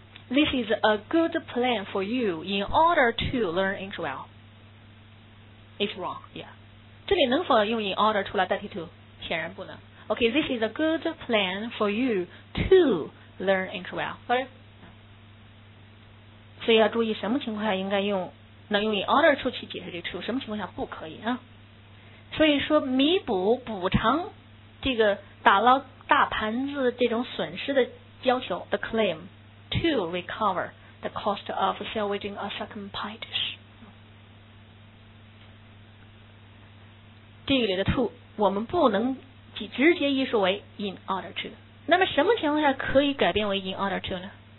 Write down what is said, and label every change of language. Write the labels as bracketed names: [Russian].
[English] This is a good plan for you in order to learn English well. It's wrong. Yeah. [Chinese] 这里能否用 [English] in order to [Chinese] 来代替 to? 显然不能。 [English] Okay, this is a good plan for you to learn English well. Okay. [Chinese] 所以要注意什么情况下应该用能用 [English] in order to [Chinese] 去解释这个 to 什么情况下不可以啊？所以说弥补补偿这个打捞大盘子这种损失的要求 [English] the claim to recover the cost of salvaging a second pie dish [Chinese] 这里的 to 我们不能直接译述为 [English] in order to [Chinese] 那么什么情况下可以改变为 in order to 呢